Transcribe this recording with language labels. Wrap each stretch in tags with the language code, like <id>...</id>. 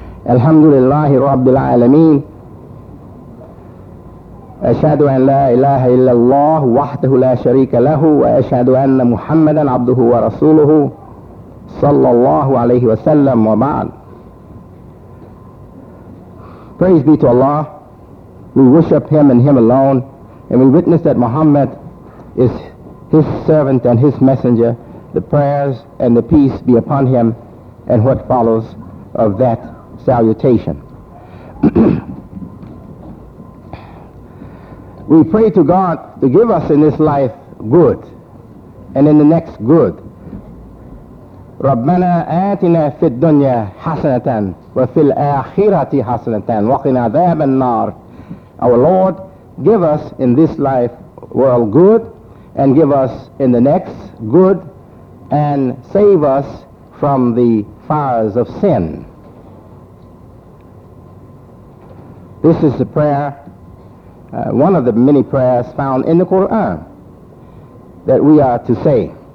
<ar>الحمد لله رب العالمين، أشهد أن لا إله إلا الله وحده لا شريك له، وأشهد أن محمدا عبده ورسوله صلى الله عليه وسلم، وبعد.</ar> <en>Praise be to Allah. We worship Him and Him alone, and we witness that Muhammad is His servant and His messenger. The prayers and the peace be upon Him, and what follows of that salutation. We pray to God to give us in this life good, and in the next good.</en> <ar>ربنا آتنا في الدنيا حسنة وفي الآخرة حسنة وقنا عذاب النار.</ar> <en>Our Lord, give us in this life world good, and give us in the next good, and save us from the fires of sin. This is the prayer, one of the many prayers found in the Quran that we are to say.</en>